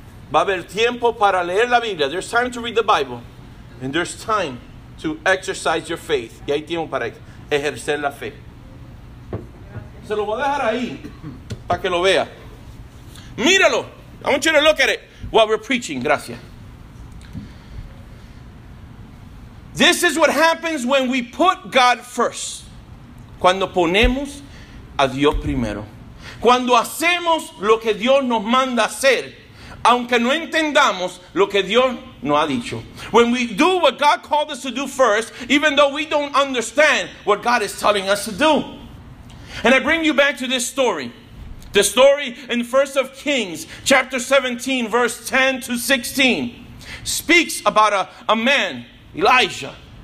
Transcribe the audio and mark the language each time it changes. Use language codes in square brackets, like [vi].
[es] Va a haber tiempo para leer la Biblia. [en] There's time to read the Bible. And there's time to exercise your faith. [es] Y hay tiempo para ejercer la fe. Se lo voy a dejar ahí para que lo vea. Míralo. [en] I want you to look at it while we're preaching. [es] Gracias. [en] This is what happens when we put God first. [es] Cuando ponemos a Dios primero. Cuando hacemos lo que Dios nos manda hacer, aunque no entendamos lo que Dios nos ha dicho. [en] When we do what God called us to do first, even though we don't understand what God is telling us to do. And I bring you back to this story. The story in 1 Kings chapter 17 verse 10 to 16 speaks about a man, Elijah.